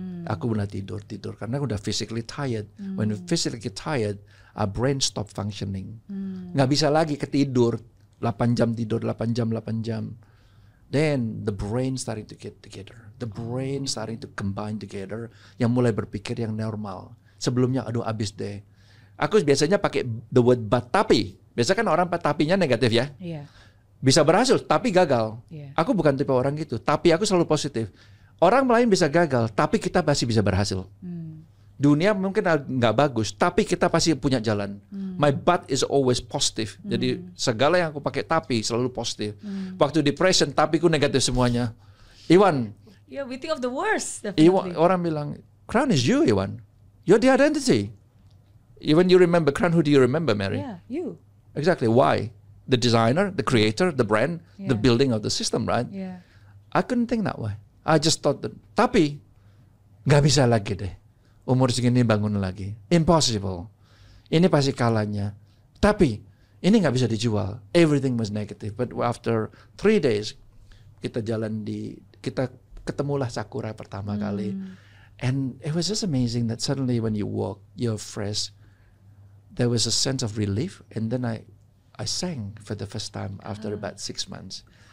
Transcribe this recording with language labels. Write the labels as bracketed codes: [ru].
[id] Aku mulai tidur, karena aku udah [en] physically tired. When physically tired, our brain stop functioning. [id] Nggak bisa lagi ketidur, 8 jam tidur, 8 jam, 8 jam. [en] Then the brain starting to get together. The brain starting to combine together. [id] Yang mulai berpikir yang normal. Sebelumnya aduh abis deh. Aku biasanya pakai [en] the word but [id] tapi. Biasa kan orang tapinya negatif ya. [en] Yeah. [id] Bisa berhasil tapi gagal. Yeah. Aku bukan tipe orang gitu. Tapi aku selalu positif. Orang lain bisa gagal tapi kita pasti bisa berhasil. Dunia mungkin gak bagus tapi kita pasti punya jalan. [en] My butt is always positive. [id] Jadi segala yang aku pakai tapi selalu positif. Waktu depression tapi ku negatif semuanya. Iwan. [en] Yeah, we think of the worst. Iwan, [id] orang bilang, [en] crown is you, Iwan. You're the identity. Even you remember crown, who do you remember, Mary? Yeah, you. Exactly, why? The designer, the creator, the brand, the building of the system, right? Yeah. I couldn't think that way. I just thought that, [id] tapi gak bisa lagi deh. Umur segini bangun lagi. Impossible. Ini pasti kalanya. Tapi, ini gak bisa dijual. [en] Everything was negative. But after 3 days, [id] kita jalan di, kita ketemulah sakura pertama kali. [en] And it was just amazing that suddenly when you walk, you're fresh. There was a sense of relief. And then I sang for the first time after about 6 months.